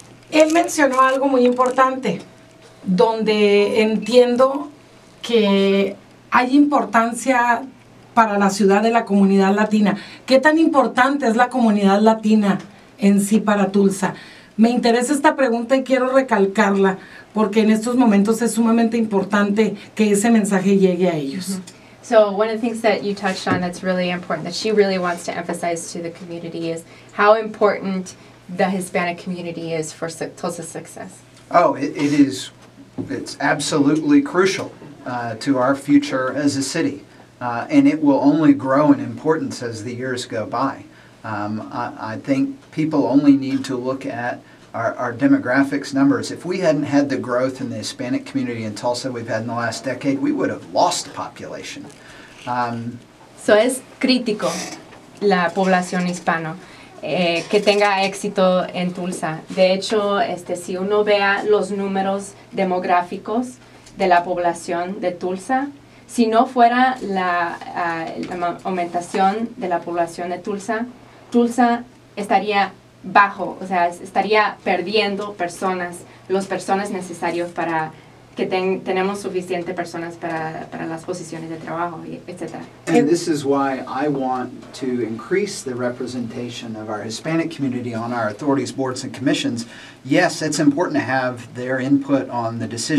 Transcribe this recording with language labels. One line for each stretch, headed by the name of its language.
Spanish: Él mencionó algo muy importante, donde entiendo que hay importancia para la ciudad de la comunidad latina. ¿Qué tan importante es la comunidad latina en sí para Tulsa? Me interesa esta pregunta y quiero recalcarla, porque en estos momentos es sumamente importante que ese mensaje llegue a ellos.
English: So one of the things that you touched on that's really important, that she really wants to emphasize to the community, is how important the Hispanic community is for Tulsa's success. Oh, it's absolutely crucial to our future as a city. And it will only grow in importance as the years go by. I think people only need to look at our demographics numbers, if we hadn't had the growth in the Hispanic community in Tulsa we've had in the last decade, we would have lost population.
Spanish: So es crítico la población hispana que tenga éxito en Tulsa. De hecho, si uno vea los números demográficos de la población de Tulsa, si no fuera la aumentación de la población de Tulsa, Tulsa estaría bajo, o sea, estaría perdiendo personas, las personas necesarias para que tenemos suficiente personas para las posiciones de trabajo, etc.
English: And this is why I want to increase the representation of our Hispanic community on our authorities, boards, and commissions. Yes, it's important to have their input on the decisions.